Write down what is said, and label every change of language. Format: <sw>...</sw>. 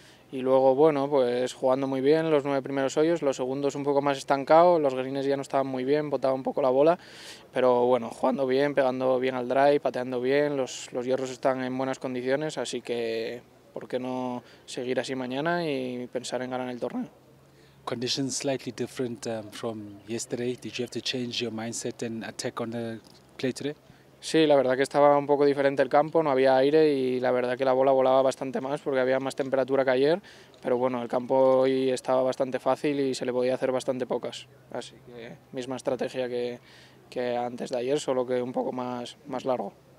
<es>Y luego, bueno, pues jugando muy bien los 9 primeros hoyos. Los segundos un poco más estancado. Los greens ya no estaban muy bien, botaba un poco la bola. Pero bueno, jugando bien, pegando bien al drive, pateando bien. Los hierros están en buenas condiciones, así que... ¿Por qué no seguir así mañana y pensar en ganar el torneo?</es> <en>Conditions slightly different from yesterday. Did you have to change your mindset and attack on the play today?</en> <es>Sí, la verdad que estaba un poco diferente el campo, no había aire y la verdad que la bola volaba bastante más porque había más temperatura que ayer. Pero bueno, el campo hoy estaba bastante fácil y se le podía hacer bastante pocas. Así que misma estrategia que antes de ayer, solo que un poco más largo.</es>